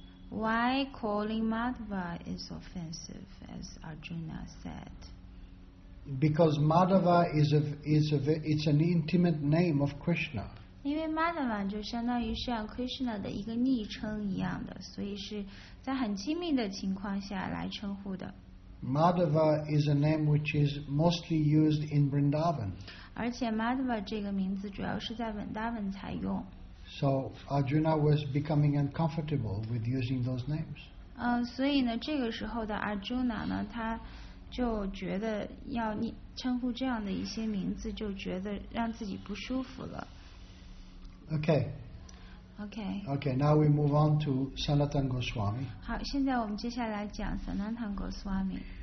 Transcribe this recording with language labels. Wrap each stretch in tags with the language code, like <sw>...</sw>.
<en>Why calling Madhava is offensive, as Arjuna said? Because Madhava is an intimate name of Krishna.</en> <zh>因为 Madhava 就相当于像 Krishna 的一个昵称一样的，所以是在很亲密的情况下来称呼的。</zh> <en>Madhava is a name which is mostly used in Vrindavan.</en> <zh>而且 Madhava 这个名字主要是在 Vrindavan 才用。</zh> <en>So Arjuna was becoming uncomfortable with using those names.</en> <zh>所以呢，这个时候的 Arjuna 呢，他。就觉得要称呼这样的一些名字就觉得让自己不舒服了。</zh> <en>Okay, now we move on to Sanatan Goswami.</en> <zh>好，现在我们接下来讲 Sanatan Goswami.</zh>